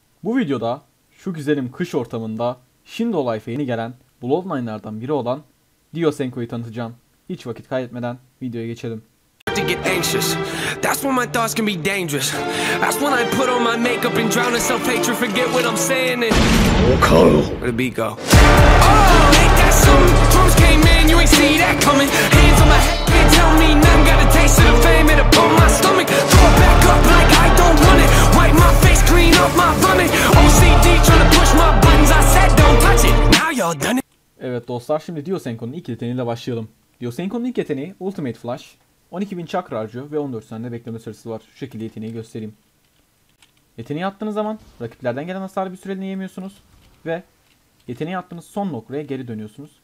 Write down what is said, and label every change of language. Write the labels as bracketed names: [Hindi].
[Turkish] Bu videoda şu güzelim kış ortamında şimdi o life'e yeni gelen Bloodline'lardan biri olan DioSenko'yu tanıtacağım. Hiç vakit kaybetmeden videoya geçelim. [English] To get anxious, that's when my thoughts can be dangerous. That's when I put on my makeup and drown in self-hatred. Forget what I'm saying. Oh, Carl. Where the beat go? Oh, ain't that something? Drums came in, you ain't see that coming. Hands on my head, can't tell me nothing. Got a taste of the fame, it'll pull my stomach. Throw it back up like I don't want it. Wipe my face clean off my vomit. OCD trying to push my buttons. I said don't touch it. Now y'all done it. [Turkish] Evet dostlar, şimdi DioSenko'nun ilk yeteneğiyle başlayalım. DioSenko'nun ilk yeteneği Ultimate Flash. 12.000 çakra harcıyor ve 14 saniye bekleme süresi var. Şu şekilde yeteneği göstereyim. Yeteneği attığınız zaman rakiplerden gelen hasarı bir süreliğine yemiyorsunuz. Ve yeteneği attığınız son noktaya geri dönüyorsunuz.